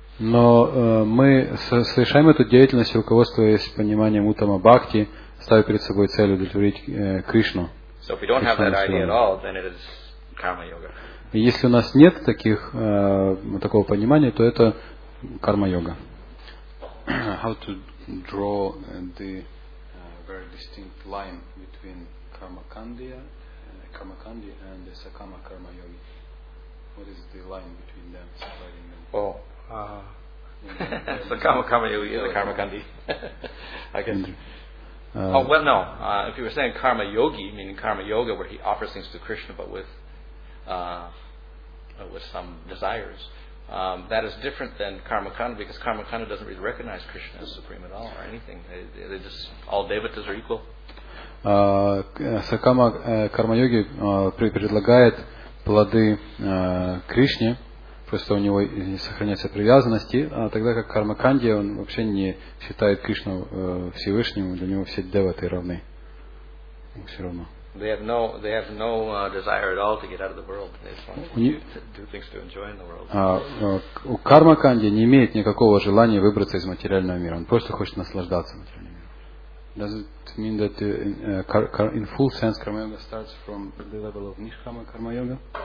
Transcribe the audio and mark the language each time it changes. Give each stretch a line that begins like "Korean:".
Russian: Но мы совершаем эту деятельность, руководствуясь пониманием уттама бхакти, ставя перед собой цель удовлетворить Кришну.
English: So if we don't have that idea at all, then it is karma yoga.
Russian: Если у нас нет такого понимания, то это карма йога.
English: How to draw the very distinct line between karma kandya and the sakama karma yogi? What is the line between them, separating them? Oh. Sakama karma yogi is a karma kandi. I guess. If you were saying karma yogi, meaning karma yoga, where he offers things to Krishna, but with some desires. That is different than karmakanda, because karmakanda doesn't really recognize Krishna as supreme at all or anything. They just all devatas are equal.
Russian: Сакама карма йоги предлагает плоды Кришне, просто у него не сохраняется привязанности, а тогда как кармаканди он вообще не считает Кришну всевышним, для него все деваты равны. Все равно.
English: They have no desire at all to get out of the world. They just want to do things to enjoy in the world.
Russian: У кармаканди не имеет никакого желания выбраться из материального мира. Он просто хочет наслаждаться материальным миром.
English: Does it mean that in full sense karma yoga starts from the level of nishkama karma yoga?